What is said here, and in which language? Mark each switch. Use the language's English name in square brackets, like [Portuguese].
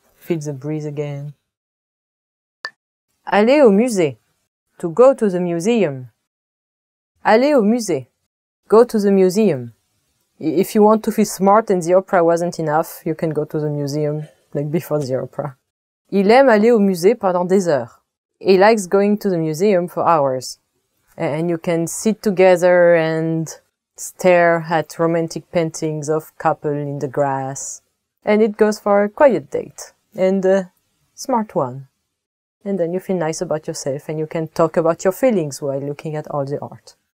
[English] Feel the breeze again. [French] Aller au musée. [English] To go to the museum. Aller au musée. Go to the museum. If you want to feel smart and the opera wasn't enough, you can go to the museum, like before the opera. [French] Il aime aller au musée pendant des heures. [English] He likes going to the museum for hours. And you can sit together and stare at romantic paintings of couple in the grass. And it goes for a quiet date and a smart one. And then you feel nice about yourself and you can talk about your feelings while looking at all the art.